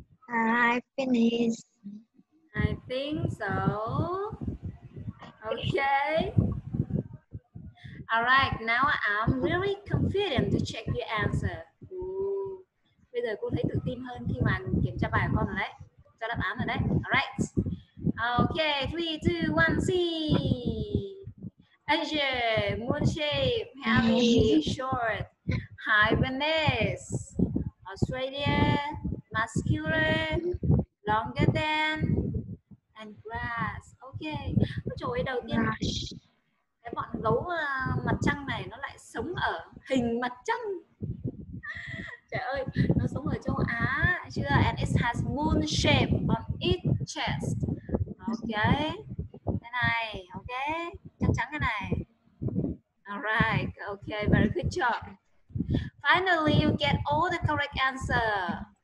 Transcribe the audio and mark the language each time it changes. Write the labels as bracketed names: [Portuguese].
[English] I finished. I think so. Okay. All right, now I'm really confident to check your answer. Ooh. [Vietnamese] Bây giờ cô thấy tự tin hơn khi mà kiểm tra bài của con rồi đấy. Cho đáp án rồi đấy. [English] All right. Okay, 3, 2, 1, see. Angel, moon shape, happy, short, hibernate, Australia, muscular, longer than, and grass. Okay. [Vietnamese] Ôi trời ơi, đầu tiên cái bọn gấu mặt trăng này nó lại sống ở hình mặt trăng. Trời ơi, nó sống ở châu Á chưa? [English] And it has moon shape on its chest. [Vietnamese] Okay. Cái này, okay. Trắng trắng cái này. [English] Alright, okay, very good job. Finally, you get all the correct answer.